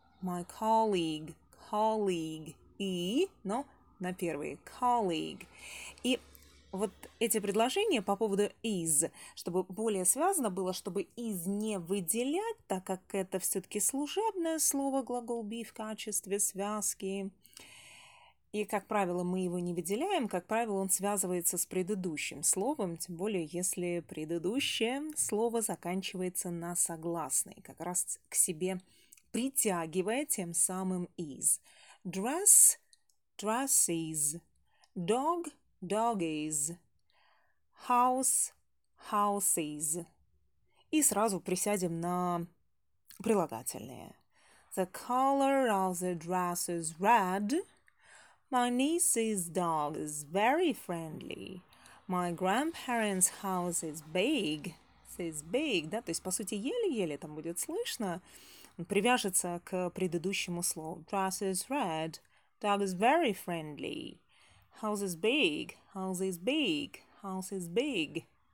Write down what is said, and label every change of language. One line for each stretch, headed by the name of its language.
English: My colleague, colleague.
Russian: И, но на первый.
English: Colleague.
Russian: И вот эти предложения по поводу is, чтобы более связано было, чтобы is не выделять, так как это все-таки служебное слово, глагол be в качестве связки. И, как правило, мы его не выделяем, как правило, он связывается с предыдущим словом, тем более, если предыдущее слово заканчивается на согласный, как раз к себе притягивая тем самым is.
English: Dress – dresses. Dog – Doggies, house, houses.
Russian: И сразу присядем на прилагательное.
English: The color of the dress is red. My niece's dog is very friendly. My grandparents' house is big. Says big,
Russian: да? То есть, по сути, еле-еле там будет слышно. Он привяжется к предыдущему слову.
English: Dress is red. Dog is very friendly. House is big, house is big, house is big.